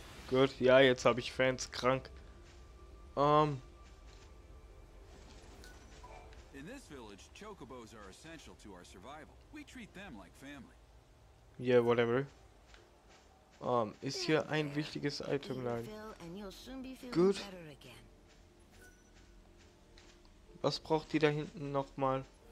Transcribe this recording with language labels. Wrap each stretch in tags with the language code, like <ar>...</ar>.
<de>Gut, ja, jetzt habe ich Fans krank.</de> <en>In this village, chocobos are essential to our survival. We treat them like family. Yeah, whatever.</en> <de>Ist hier ein wichtiges Item? Nein. Gut. Was braucht die da hinten nochmal?</de>